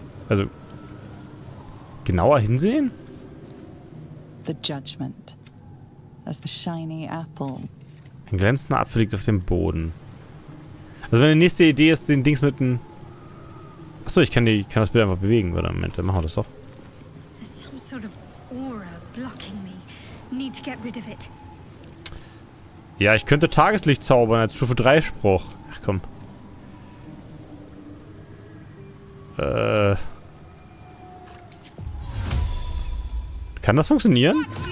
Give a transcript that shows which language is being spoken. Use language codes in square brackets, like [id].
[de] Also, genauer hinsehen? [en] The Judgment. As the shiny apple. [de] Ein glänzender Apfel liegt auf dem Boden. Also, meine nächste Idee ist, den Dings mit dem... Achso, ich kann das Bild einfach bewegen. Warte, Moment, dann machen wir das doch. [en] There's some sort of aura blocking me. Need to get rid of it. [de] Ja, ich könnte Tageslicht zaubern als Stufe 3 Spruch. Ach komm. Kann das funktionieren?